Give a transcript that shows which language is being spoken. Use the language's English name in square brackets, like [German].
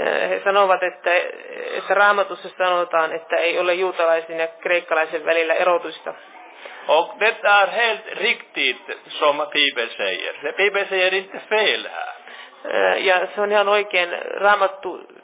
[Finnish] He sanovat, että raamatussa sanotaan, että ei ole juutalaisen ja kreikkalaisen välillä erotusta. [Swedish] Och det är helt riktigt som Bibel säger. Bibel säger inte fel här. [Finnish] Ja se on ihan oikein raamattu.